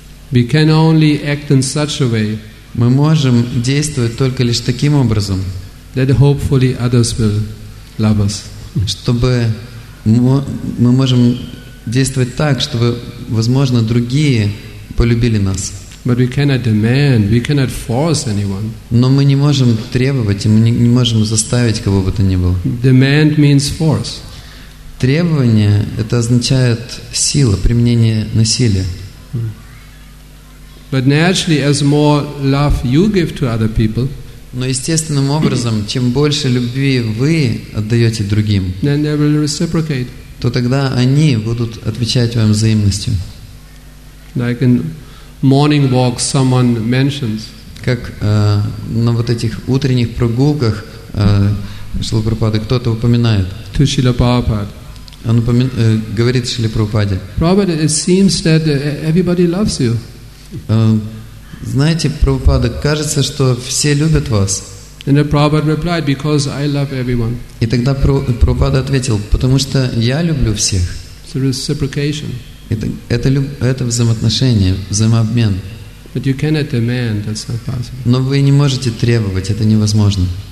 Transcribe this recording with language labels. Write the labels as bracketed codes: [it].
[en] We can only act in such a way. [ru] Мы можем действовать только лишь таким образом. [en] That hopefully others will love us. [ru] Чтобы мы можем действовать так, чтобы, возможно, другие полюбили нас. [en] But we cannot demand, we cannot force anyone. [ru] Но мы не можем требовать, и мы не можем заставить кого бы то ни было. [en] Demand means force. [ru] Требование — это означает сила, применение насилия. [en] But naturally, as more love you give to other people, [ru] но естественным образом, чем больше любви вы отдаете другим, [en] then they will reciprocate. [ru] То тогда они будут отвечать вам взаимностью. [en] Like in morning walk, someone mentions. [ru] Как на вот этих утренних прогулках Шрила Прабхупады кто-то упоминает. [en] To Шрила Прабхупада. [ru] Он говорит Шриле Прабхупаде. [en] Prabhupada, it seems that everybody loves you. [ru] Знаете, Прабхупада, кажется, что все любят вас. [en] And then Prabhupada replied, because I love everyone. [ru] И тогда Прабхупада ответил, потому что я люблю всех. [en] So reciprocation. [ru] Это взаимоотношение, взаимообмен. [en] But you cannot demand, that's not possible. [ru] Но вы не можете требовать, это невозможно.